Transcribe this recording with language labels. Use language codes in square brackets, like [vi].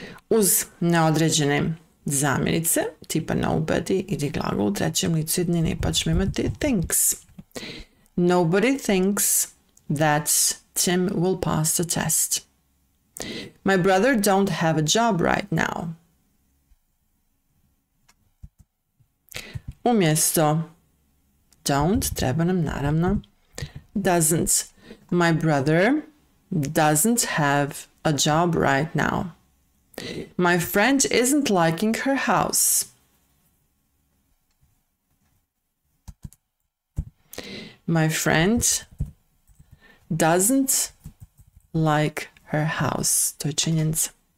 [bs] Uz neodređene zamjenice, tipa nobody, ide glagol u trećem licu jednine, pa ćemo imati thinks. [en] Nobody thinks that Tim will pass the test. My brother don't have a job right now. [bs] Umjesto don't, treba nam naravno [en] doesn't. My brother doesn't have a job right now. My friend isn't liking her house. My friend doesn't like her house. [bs] To je činjenica.